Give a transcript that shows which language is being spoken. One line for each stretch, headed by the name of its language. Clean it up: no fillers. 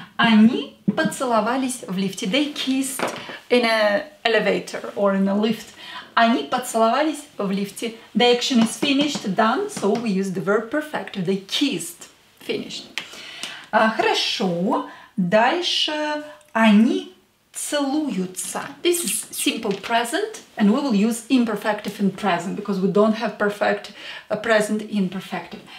Russian: Они поцеловались в лифте.
English: They kissed in an elevator or in a lift.
Russian: Они поцеловались в лифте.
English: The action is finished, done, so we use the verb perfective. They kissed, finished.
Russian: Хорошо. Дальше. Они целуются.
English: This is simple present, and we will use imperfective in present, because we don't have perfect present in perfective.